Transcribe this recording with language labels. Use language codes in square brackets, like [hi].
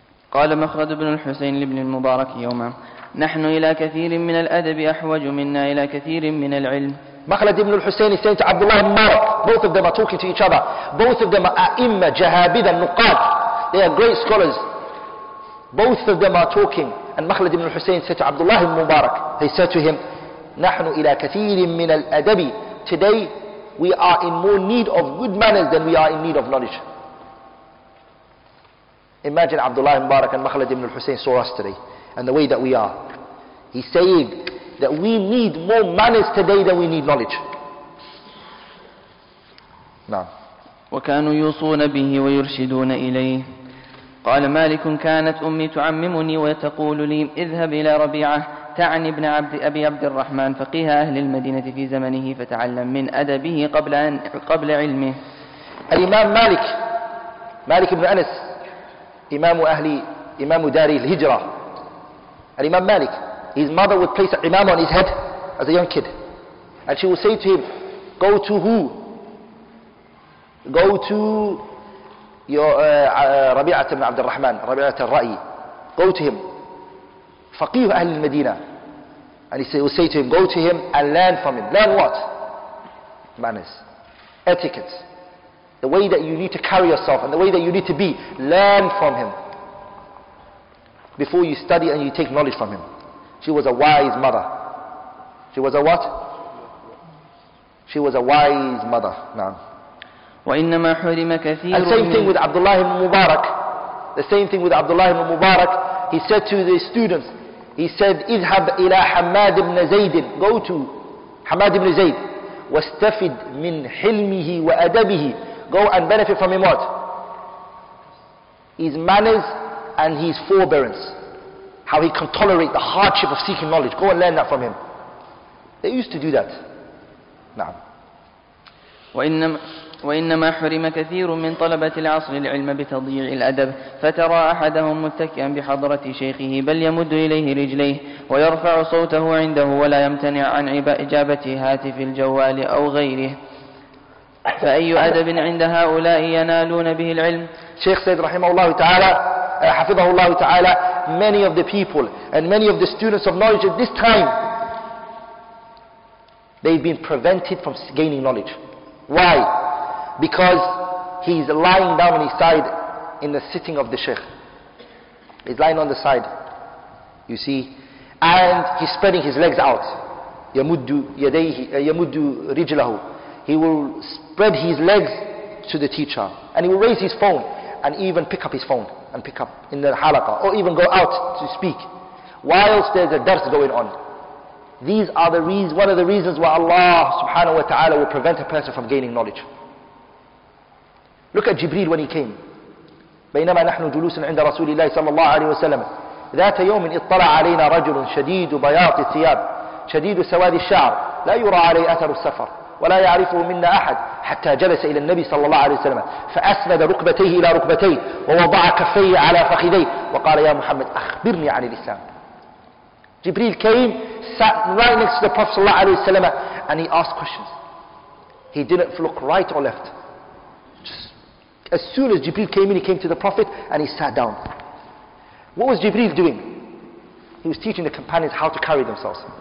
[ar] قال مخرد بن الحسين لابن المبارك يوما نحن إلى كثير من الأدب أحوج منا إلى كثير من العلم. [en] مخرد بن الحسين is saying to Abdullah ibn Mubarak, both of them are talking to each other. Both of them are a'imma, jahabida, nuqad. They are great scholars. Both of them are talking. And مخرد بن الحسين said to Abdullah ibn Mubarak, he said to him, نحن إلى كثير من الأدب. Today, we are in more need of good manners than we are in need of knowledge. Imagine Abdullah ibn Barak and Makhlad ibn al-Husayn saw us today and the way that we are. He's saying that we need more manners today than we need knowledge. [ar] نعم. وكانوا يوصون به ويرشدون إليه. قال مالك كانت أمي تعممني وتقول لي اذهب إلى ربيعة تعني ابن عبد أبي عبد الرحمن فقيها أهل المدينة في زمنه فتعلم من أدبه قبل علمه. الإمام مالك, مالك بن أنس, إمام أهل إمام داري الهجرة. [en] الإمام مالك, his mother would place an imam on his head as a young kid, and she would say to him, go to who? Go to your ربيعة بن عبد الرحمن, ربيعة الرأي. Go to him, فقيه أهل المدينة. And he will say to him, go to him and learn from him. Learn what? Manners, etiquette, the way that you need to carry yourself and the way that you need to be. Learn from him before you study and you take knowledge from him. She was a wise mother. She was a what? She was a wise mother. [ar] وإنما حرم كثير. [en] And same thing with Abdullah ibn Mubarak. The same thing with Abdullah ibn Mubarak. He said to the students, He said, اذهب إلى حماد بن زيد. Go to حماد بن زيد. [ar] واستفد من حلمه وأدبه. [en] Go and benefit from him what? His manners and his forbearance. How he can tolerate the hardship of seeking knowledge. Go and learn that from him. They used to do that. نعم. [ar] وإنما حرم كثير من طلبة العصر العلم بتضييع الأدب فترى أحدهم متكئا بحضرة شيخه بل يمد إليه رجليه ويرفع صوته عنده ولا يمتنع عن إجابة هاتف الجوال أو غيره فأي أدب عند هؤلاء ينالون به العلم. شيخ سيد رحمه الله تعالى حفظه الله تعالى. [en] Many of the people and many of the students of knowledge at this time, they've been prevented from gaining knowledge. Why? Because he's lying down on his side in the sitting of the sheikh. He's lying on the side, you see, and he's spreading his legs out. [ar] يَمُدُّ يَدَيْهِ يَمُدُّ رِجْلَهُ. [en] He will spread his legs to the teacher, and he will raise his phone and even pick up his phone and pick up in the halaqa, or even go out to speak whilst there's a dars going on. These are the reasons, one of the reasons why Allah subhanahu wa ta'ala will prevent a person from gaining knowledge. Look at Jibreel when he came. [ar] بينما نحن جلوس عند رسول الله صلى الله عليه وسلم ذات يوم اطلع علينا رجل شديد بياض الثياب شديد سواد الشعر لا يرى عليه أثر السفر ولا يعرفه منا أحد حتى جلس إلى النبي صلى الله عليه وسلم فأسند ركبتيه إلى ركبتيه ووضع كفيه على فخذيه وقال يا محمد أخبرني عن الإسلام. [en] Jibreel came, sat right next to the Prophet sallallahu alayhi wa sallam, and he asked questions. He didn't look right or left. Just, as soon as Jibreel came in, he came to the Prophet and he sat down. What was Jibreel doing? He was teaching the companions how to carry themselves.